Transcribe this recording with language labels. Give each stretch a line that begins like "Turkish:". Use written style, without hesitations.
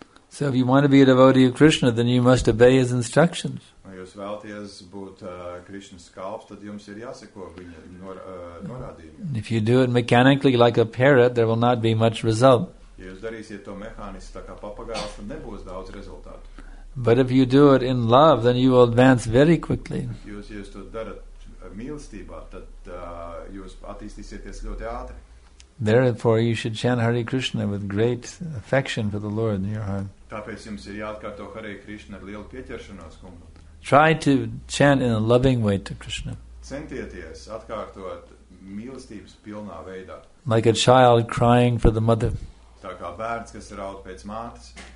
English: So if you want to be a devotee of Krishna, then you must obey his instructions.
Latvian: Jūs vēlties būt Krišnas kalps, tad jums ir jāseko viņa norādījumiem.
English: If you do it mechanically like a parrot, there will not be much result.
Latvian: Ja jūs darīsiet to mehāniski, tā kā papagājs, tad nebūs daudz rezultātu.
English: But if you do it in love, then you will advance very quickly.
Latvian: Jūs to darat mīlestībā, tad jūs attīstīsieties ļoti ātri.
English: Therefore, you should chant Hare Krishna with great affection for the Lord in your heart.
Latvian: Tāpēc jums ir jāatkārto Hare Krishna ar lielu pieķeršanos, kungu.
English: Try to chant in a loving way to Krishna.
Latvian: Centieties atkārtot mīlestības pilnā veidā.
English: Like a child crying for the mother.
Latvian: Tā kā bērns, kas raud pēc mātes.